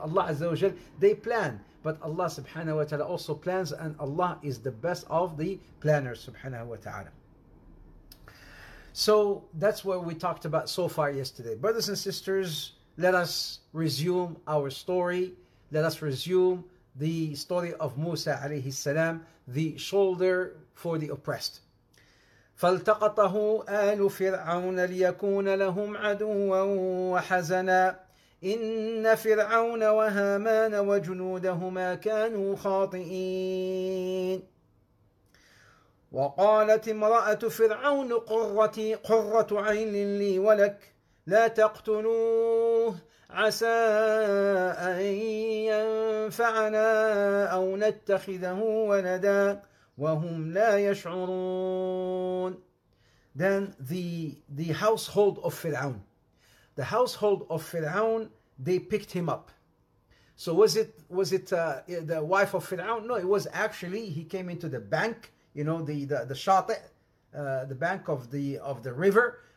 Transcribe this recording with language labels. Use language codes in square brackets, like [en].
[en] Allah Azza wa Jal, they plan. But Allah subhanahu wa ta'ala also plans, and Allah is the best of the planners, subhanahu wa ta'ala. So that's what we talked about so far yesterday. Brothers and sisters, let us resume our story. Let us resume the story of Musa alayhi salam, the shoulder for the oppressed. [ar] فالتقطه آل فرعون ليكون لهم عدوا وحزنا إن فرعون وهامان وجنودهما كانوا خاطئين وقالت امرأة فرعون قرة عين لي ولك لا تقتلوه عسى أن ينفعنا أو نتخذه ولدا وهم لا يشعرون. [en] Then the household of Fir'aun. The household of Fir'aun, they picked him up. So was it the wife of Fir'aun? No, it was actually, he came into the bank, you know, the shati, the bank of the river.